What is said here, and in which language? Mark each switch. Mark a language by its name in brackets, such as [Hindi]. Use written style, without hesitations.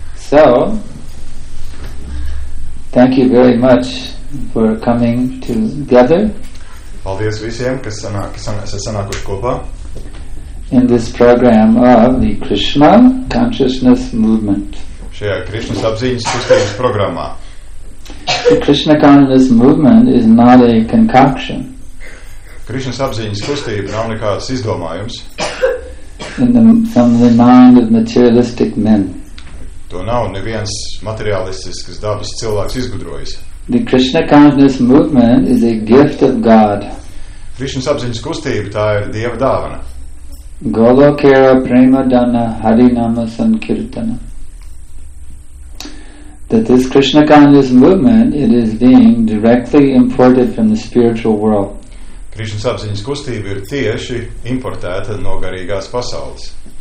[English] So, thank you very much for coming together. [Latvian] Paldies visiem, kas sanākuši kopā. [English] In this program of the Krishna Consciousness Movement. [Latvian] Šajā Krishnas apziņas kustības programmā. [English] The Krishna Consciousness Movement is not a concoction. [Latvian] Krishnas apziņas kustība nav nekāds izdomājums. [English] From the mind of materialistic men. [Latvian] To nav neviens materialistisks dabas cilvēks izgudrojis. [English] The Krishna Consciousness Movement is a gift of God. [Latvian] Krishnas apziņas kustība, tā ir Dieva dāvana. [Sanskrit] Golokera Premadana Harinama Sankirtana. [English] That this Krishna Consciousness Movement, it is being directly imported from the spiritual world. [Latvian] Krishnas apziņas kustība ir tieši importēta no garīgās pasaules.